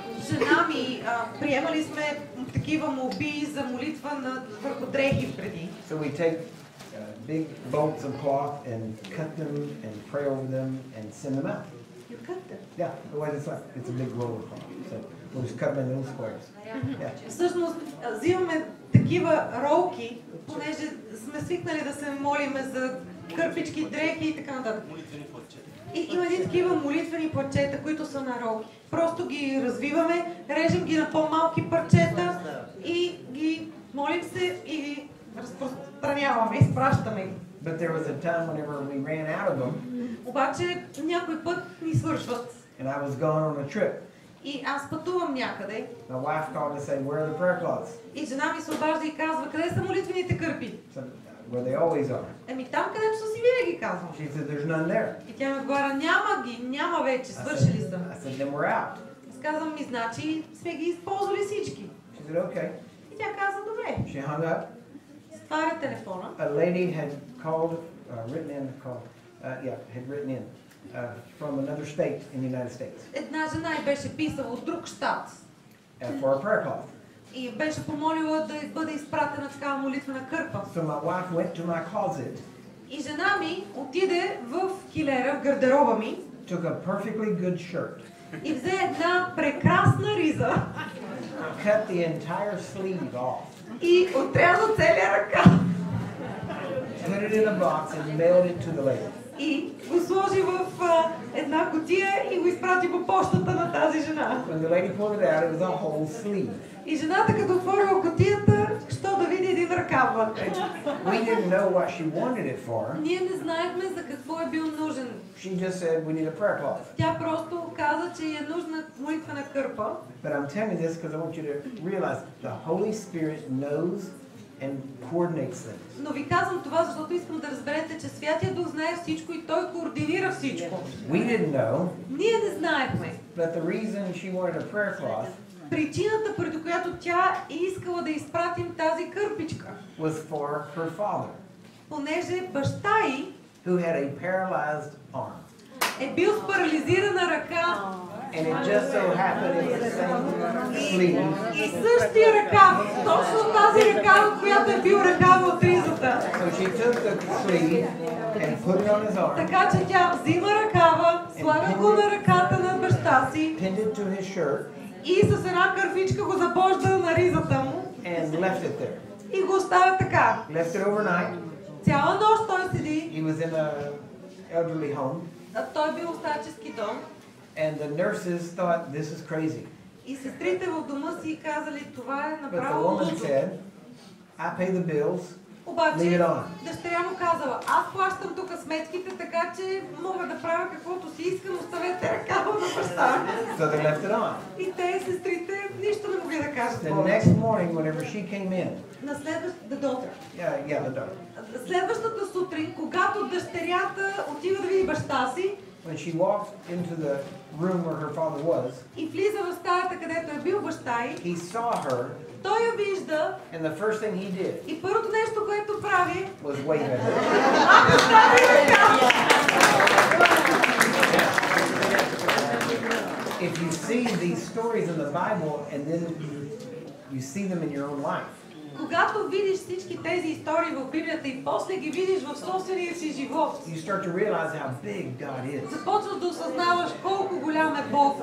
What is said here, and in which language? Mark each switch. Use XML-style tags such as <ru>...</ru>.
<bg>Жена ми, приемали сме такива молби за молитва на върху дрехи преди.</bg> <en>So we take big bolts of cloth and cut them and pray over them and send them out. You cut them? Yeah, the way it's like, it's a big roll of cloth. So we just cut them in little squares.</en> <bg>Всъщност, взимаме такива ролки, понеже сме свикнали да се молиме за кърпички, дрехи и така нататък. И има един такива молитвени парчета, които са на ролки. Просто ги развиваме, режем ги на по-малки парчета и ги молим се и ги разпространяваме, изпращаме ги.</bg> <en>But there was a time whenever we ran out of them.</en> <bg>Обаче някой път ни свършват.</bg> <en>And I was gone on a trip.</en> <bg>И аз пътувам някъде.</bg> <en>My wife called to say, where are the prayer cloths?</en> <bg>И жена ми се обажда и казва, къде са молитвените кърпи?</bg> <en>Where they always are.</en> <bg>Еми там, където са си винаги, казвам.</bg> <en>She said, there's none there.</en> <bg>И тя ми отговаря, няма ги, няма вече, свършили са.</bg> <en>I said, then we're out.</en> <bg>Сказвам ми, значи сме ги използвали всички.</bg> <en>She said, okay.</en> <bg>И тя каза, добре.</bg> <en>She hung up.</en> <bg>Стваря телефона.</bg> <en>A lady had called, written in, called, had written in from another state in the United States.</en> <bg>Една жена и беше писала от друг щат.</bg> <en>For a prayer call.</en> <bg>И беше помолила да бъде изпратена такава молитва на кърпа.</bg> <en>So my wife went to my closet.</en> <bg>И жена ми отиде в килера, в гардероба ми.</bg> <en>Took a perfectly good shirt.</en> <bg>И взе една прекрасна риза.</bg> <en>Cut the entire sleeve off.</en> <bg>И отряза целия ръка.</bg> <en>Put it in a box and mailed it to the lady.</en> <bg>И го сложи в една кутия и го изпрати по пощата на тази жена.</bg> <en>When the lady pulled it out, it was a whole sleeve.</en> <bg>И жената като отворила кутията, що да види един ръкав.</bg> <en>We didn't know what she wanted it for.</en> <bg>Ние не знаехме за какво е бил нужен.</bg> <en>She just said we need a prayer cloth.</en> <bg>Тя просто каза, че е нужна молитва на кърпа.</bg> <en>But I'm telling you this because I want you to realize the Holy Spirit knows and coordinates them.</en> <bg>Но ви казвам това, защото искам да разберете, че Святия Дух знае всичко и той координира всичко.</bg> <en>We didn't know.</en> <bg>Ние не знаехме.</bg> <en>But the reason she wanted a prayer cloth.</en> <bg>Причината, преди която тя искала да изпратим тази кърпичка.</bg> <en>Was for her father.</en> <bg>Понеже баща й,</bg> <en>who had a paralyzed arm.</en> <bg>Е бил с парализирана ръка.</bg> <en>And it just so happened it was the same sleeve.</en> <bg>И същия ръкав, точно тази ръкава, която е бил ръкава от ризата.</bg> <en>So she took the sleeve and put it on his arm.</en> <bg>Така че тя взима ръкава, слага го на ръката на баща си.</bg> <en>Pinned it to his shirt.</en> <bg>И с една кърфичка го забожда на ризата му.</bg> <en>And left it there.</en> <bg>И го оставя така.</bg> <en>Left it overnight.</en> <bg>Цяла нощ той седи.</bg> <en>He was in a elderly home.</en> <bg>А той бил в старчески дом.</bg> <en>And the nurses thought this is crazy.</en> <bg>И сестрите в дома си казали, това е направо лудо.</bg> <en>But the woman said, I pay the bills, leave it on.</en> <bg>Дъщеря му казала, аз плащам тук сметките, така че мога да правя каквото си искам, оставете ръкава на баща.</bg> <en>So they left it on.</en> <bg>И те, сестрите, нищо не могли да кажат.</bg> <en>The next morning, whenever she came in.</en> <bg>На следващата,</bg> <en>the daughter. Yeah, the daughter.</en> <bg>Следващата сутрин, когато дъщерята отива да види баща си,</bg> <en>when she walked into the room where her father was,</en> <bg>и влиза в стаята, където е бил баща й,</bg> <en>he saw her,</en> <bg>той я вижда,</bg> <en>and the first thing he did,</en> <bg>и първото нещо, което прави,</bg> <en>was wave at her. If you see these stories in the Bible, and then you see them in your own life,</en> <bg>когато видиш всички тези истории в Библията и после ги видиш в собствения си живот,</bg> <en>you start to realize how big God is.</en> <bg>Започваш да осъзнаваш колко голям е Бог.</bg>